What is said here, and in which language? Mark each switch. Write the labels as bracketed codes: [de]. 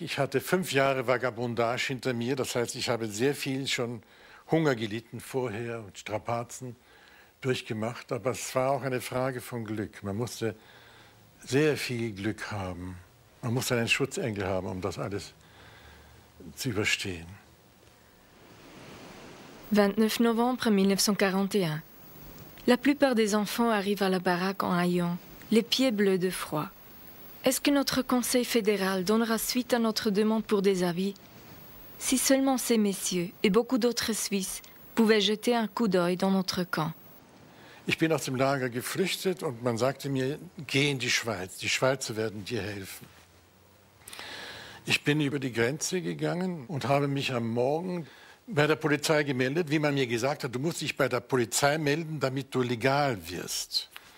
[de] Ich hatte 5 Jahre Vagabondage hinter mir. Das heißt, ich habe sehr viel schon Hunger gelitten vorher und Strapazen durchgemacht. Aber es war auch eine Frage von Glück. Man musste sehr viel Glück haben. Man musste einen Schutzengel haben, um das alles zu überstehen. [fr] 29 novembre 1941. La plupart des enfants arrivent à la baraque en haillons, les pieds bleus de froid. Est-ce que notre conseil fédéral donnera suite à notre demande pour des avis? Si seulement ces messieurs et beaucoup d'autres Suisses pouvaient jeter un coup d'œil dans notre camp. [de] Ich bin aus dem Lager geflüchtet und man sagte mir, geh in die Schweiz, die Schweizer werden dir helfen. Ich bin über die Grenze gegangen und habe mich am Morgen bei der Polizei gemeldet, wie man mir gesagt hat, du musst dich bei der Polizei melden, damit du legal wirst.